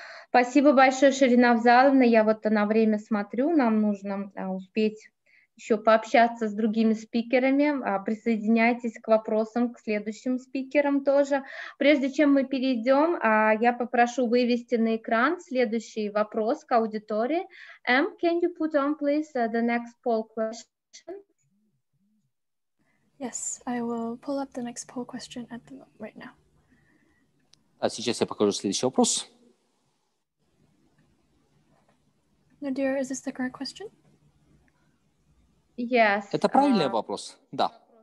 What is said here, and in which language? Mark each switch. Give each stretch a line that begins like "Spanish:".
Russian: Спасибо большое, Ширина Взаловна. Я вот на время смотрю. Нам нужно успеть еще пообщаться с другими спикерами. Присоединяйтесь к вопросам, к следующим спикерам тоже. Прежде чем мы перейдем, я попрошу вывести на экран следующий вопрос к аудитории.
English: M, can you put on, please, the next poll question? Yes, I will pull up the next poll question at the moment, right now.
Russian: А сейчас я покажу следующий вопрос.
English: Nadir, is this the correct question? Yes.
Russian: Это правильный вопрос, да.